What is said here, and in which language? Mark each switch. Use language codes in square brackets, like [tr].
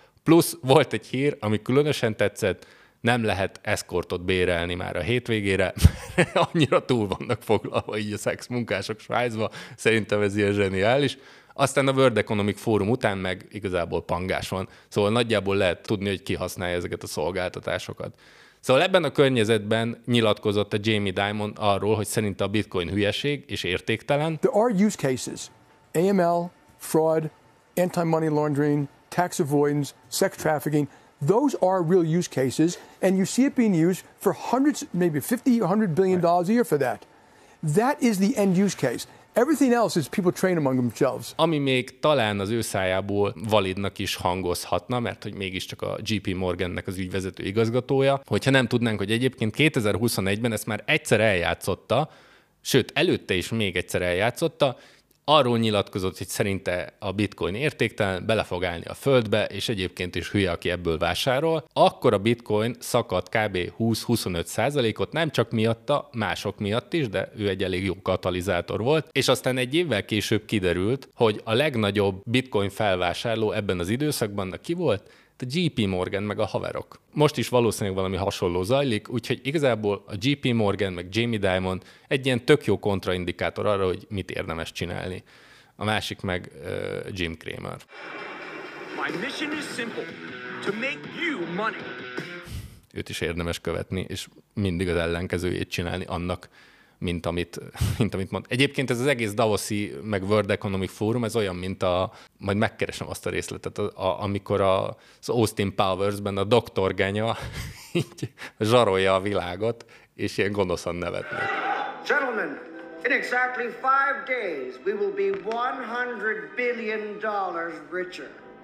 [hu] Plusz volt egy hír, ami különösen tetszett, nem lehet eszkortot bérelni már a hétvégére, mert annyira túl vannak foglalva így a szexmunkások Svájcba, szerintem ez ilyen zseniális. Aztán a World Economic Forum után meg igazából pangás van, szóval nagyjából lehet tudni, hogy ki használja ezeket a szolgáltatásokat. Szóval ebben a környezetben nyilatkozott a Jamie Dimon arról, hogy szerinte a bitcoin hülyeség és értéktelen. [en] There are use cases, AML, fraud, anti-money laundering, tax avoidance, sex trafficking. Those are real use cases, and you see it being used for hundreds, maybe 50, 100 billion dollars a year for that. That is the end use case. Everything else is people train among themselves. [hu] Ami még talán az ő szájából validnak is hangozhatna, mert hogy mégiscsak a JP Morgannek az ügyvezető igazgatója, hogyha nem tudnánk, hogy egyébként 2021-ben ezt már egyszer eljátszotta, sőt, előtte is még egyszer eljátszotta, arról nyilatkozott, hogy szerinte a bitcoin értéktelen, bele fog állni a földbe, és egyébként is hülye, aki ebből vásárol, akkor a bitcoin szakadt kb. 20-25%-ot, nem csak miatta, mások miatt is, de ő egy elég jó katalizátor volt, és aztán egy évvel később kiderült, hogy a legnagyobb bitcoin felvásárló ebben az időszakban, na ki volt? A JP Morgan meg a haverok. Most is valószínűleg valami hasonló zajlik, úgyhogy igazából a JP Morgan meg Jamie Dimon egy ilyen tök jó kontraindikátor arra, hogy mit érdemes csinálni. A másik meg Jim Cramer. [en] My mission is simple, to make you money. [hu] Őt is érdemes követni, és mindig az ellenkezőjét csinálni annak, mint amit mond. Egyébként ez az egész Davoszi meg World Economic Forum, ez olyan, mint a, majd megkeresem azt a részletet, amikor az Austin Powers-ben a doktor genya így zsarolja a világot, és ilyen gonoszan nevetnek. [en] Gentlemen, in exactly 5 days we will be $100 billion richer.